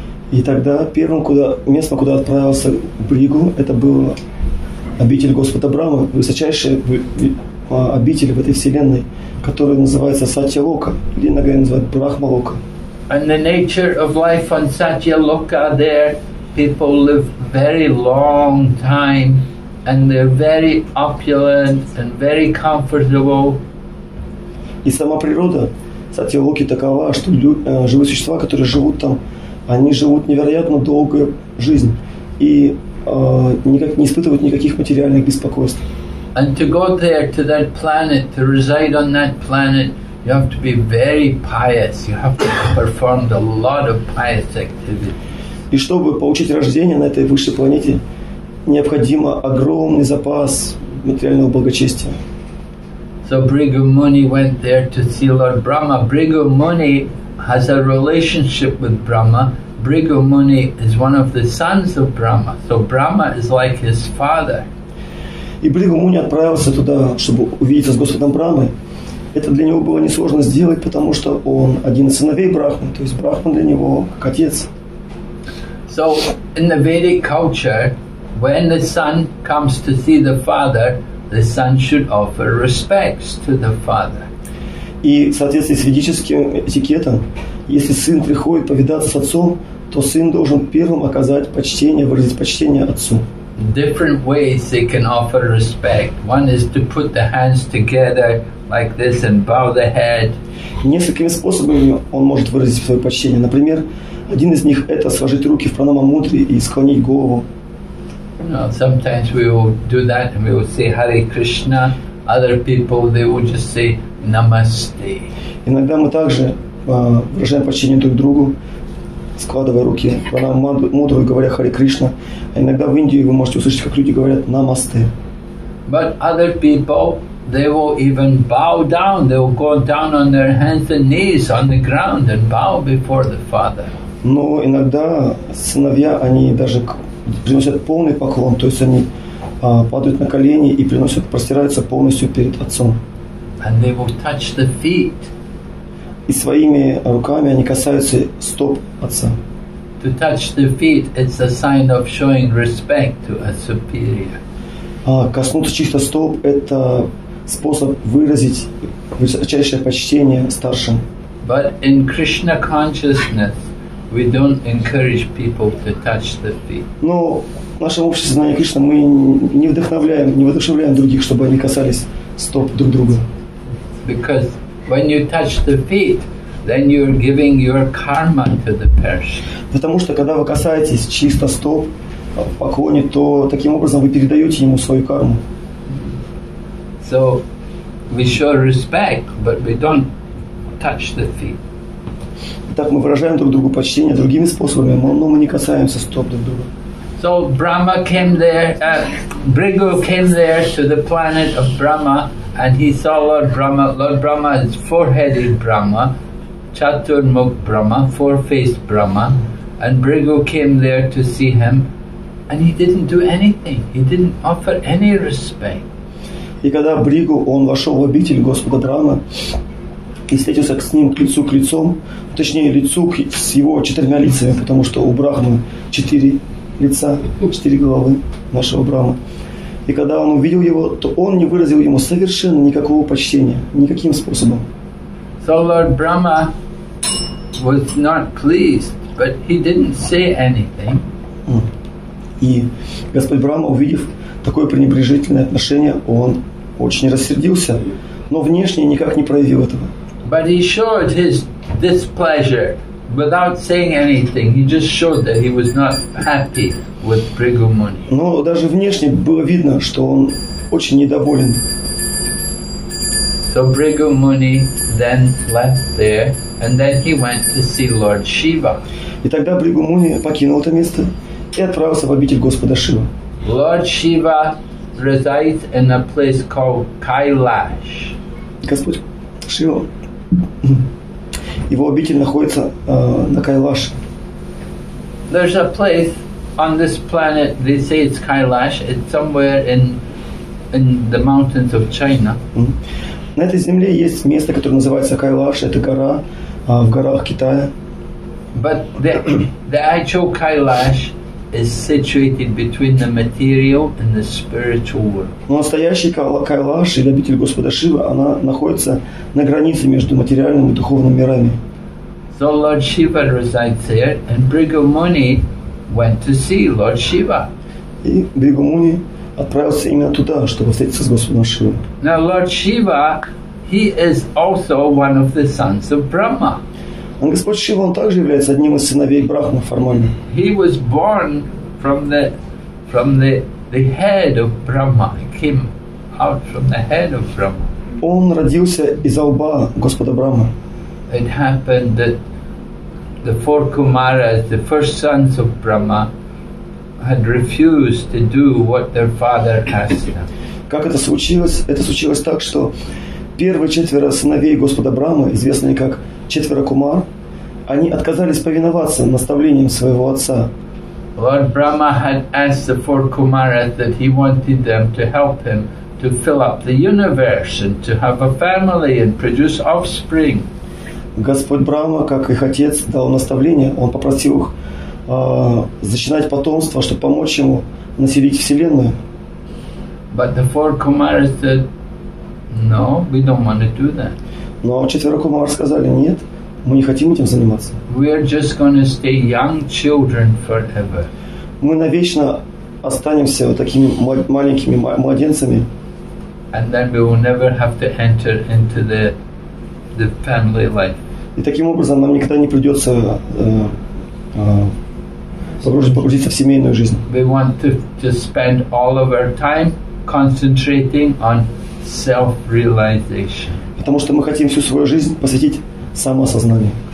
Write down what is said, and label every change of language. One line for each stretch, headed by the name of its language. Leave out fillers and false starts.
Russian: И тогда первым куда место, куда отправился Бригу, это был обитель Господа Брахмы, высочайшая обитель в этой вселенной, которая называется Сатьялока, или иногда называют Брахмалока.
English: And the nature of life on Satyaloka, there people live very long time, and they're very opulent and very comfortable.
Russian: И сама природа Сатьялоки такова, что живые существа, которые живут там, они живут невероятно долгую жизнь и никак не испытывают никаких материальных беспокойств.
English: And to go there to that planet, to reside on that planet, you have to be very pious. You have to perform a lot of pious activity.
Russian: И чтобы получить рождение на этой высшей планете, необходимо огромный запас материального благочестия.
English: So Bhrigu Muni went there to see Lord Brahma. Bhrigu Muni has a relationship with Brahma. Bhrigu Muni is one of the sons of Brahma. So Brahma is like his father.
Russian: И Бригу Муни отправился туда, чтобы увидеться с Господом Брахмой. Это для него было несложно сделать, потому что он один из сыновей Брахмы, то есть Брахма для него как отец.
English: So in the Vedic culture, when the son comes to see the son should offer respects to the father.
Russian: И в соответствии с ведическим этикетом, если сын приходит повидаться с отцом, то сын должен первым оказать почтение, выразить почтение отцу.
English: Different ways they can offer respect. One is to put the hands together like this and bow the head.
Russian: Несколькими способами он может выразить свое почтение. Например, один из них это сложить руки в пранамамудре и склонить голову.
English: Sometimes we will do that and we will say Hare Krishna. Other people they will just say Namaste.
Russian: Иногда мы также выражаем почтение друг другу, складывая руки в пранамамудру и говоря Хари Кришна. А иногда в Индии вы можете услышать, как люди говорят Намасте.
English: But other people, they will even bow down. They will go down on their hands and knees on the ground and bow before the father.
Russian: Но иногда сыновья, они даже приносят полный поклон, то есть они падают на колени и приносят, простираются полностью перед отцом.
English: and they will touch the feet.
Russian: И своими руками они касаются стоп отца.
English: To touch the feet, it's a sign of showing respect to a superior.
Russian: Коснуться чьих-то стоп – это способ выразить высочайшее почтение старшим.
English: But in Krishna consciousness, we don't encourage people to touch the feet.
Russian: Но в нашем обществе знания Кришны мы не вдохновляем, не воодушевляем других, чтобы они касались стоп друг друга.
English: Because when you touch the feet, then you're giving your karma to the person.
Russian: Потому что когда вы касаетесь чьих-то стоп поклоне, то таким образом вы передаете ему свою карму.
English: So we show respect, but we don't touch the feet.
Russian: Так мы выражаем друг другу почтение другими способами, но мы не касаемся стоп друг друга.
English: So Brahma came there, Bhrigu came there to the planet of Brahma, and he saw Lord Brahma. Lord Brahma is four-headed Brahma, Chaturmukh Brahma, four-faced Brahma, and Bhrigu came there to see him, and he didn't do anything. He didn't offer any respect.
Russian: И когда Бригу, он вошел в обитель Господа Брама и встретился с ним лицу к лицу, точнее лицу с его четырьмя лицами, потому что у Брахмы четыре лица, четыре головы нашего Брама. И когда он увидел его, то он не выразил ему совершенно никакого почтения, никаким способом.
English: So Lord Brahma was not pleased, but he didn't say anything.
Russian: И Господь Брама, увидев такое пренебрежительное отношение, он очень рассердился, но внешне никак не проявил этого.
English: But he showed his displeasure without saying anything. He just showed that he was not happy with Bhrigu Muni.
Russian: Но даже внешне было видно, что он очень недоволен.
English: So Bhrigu Muni then left there, and then he went to see Lord Shiva.
Russian: И тогда Бригу Муни покинул это место и отправился в обитель Господа Шива.
English: Lord Shiva resides in a place called Kailash.
Russian: Господь Шива, его обитель находится на Кайлаш.
English: There's a place on this planet, they say it's Kailash, it's somewhere in the mountains of China.
Russian: На этой земле есть место, которое называется Кайлаш, это гора, в горах Китая.
English: But the actual Kailash is situated between the material and the spiritual world.
Russian: Но настоящий Кайлаш, или обитель Господа Шивы, она находится на границе между материальным и духовным мирами.
English: So Lord Shiva resides there, and Bhrigu Muni went to see Lord Shiva.
Russian: И Бригу Муни отправился именно туда, чтобы встретиться с Господом Шивой.
English: Now Lord Shiva, he is also one of the sons of Brahma.
Russian: А Господь Шива, он также является одним из сыновей Брахмы формально.
English: He was born from the head of Brahma. He came out from the head of Brahma.
Russian: Он родился из лба Господа Брахмы.
English: It happened that the four Kumaras, the first sons of Brahma, had refused to do what their father asked them.
Russian: Как это случилось? Это случилось так, что первые четверо сыновей Господа Брахмы, известные как четверо Кумар, они отказались повиноваться наставлениям своего отца.
English: Lord Brahma had asked the four Kumaras that he wanted them to help him to fill up the universe and to have a family and produce offspring.
Russian: Господь Брахма, как их отец, дал наставление. Он попросил их зачинать потомство, чтобы помочь ему населить вселенную.
English: But the four Kumaras said, no, we don't want to do that.
Russian: Но четверо кумар сказали, нет, мы не хотим этим заниматься.
English: We are just going to stay young children forever.
Russian: Мы навечно останемся вот такими маленькими младенцами.
English: And then we will never have to enter into the family life.
Russian: И таким образом нам никогда не придется погрузиться в семейную жизнь.
English: We want to spend all of our time concentrating on self-realization.
Russian: Потому что мы хотим всю свою жизнь посвятить самоосознанию.